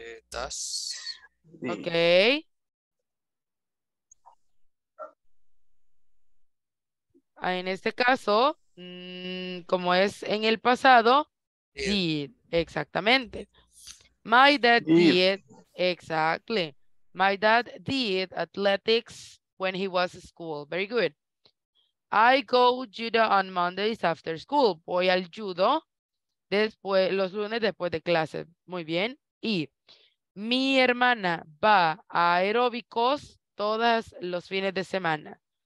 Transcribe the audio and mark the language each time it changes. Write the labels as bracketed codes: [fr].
[es] Das. Ok. En este caso, como es en el pasado, sí, exactamente. [en] My dad did, exactly. My dad did athletics when he was in school. Very good. I go judo on Mondays after school. [es] Voy al judo después, los lunes después de clase. Muy bien. Y mi hermana va a aeróbicos todos los fines de semana.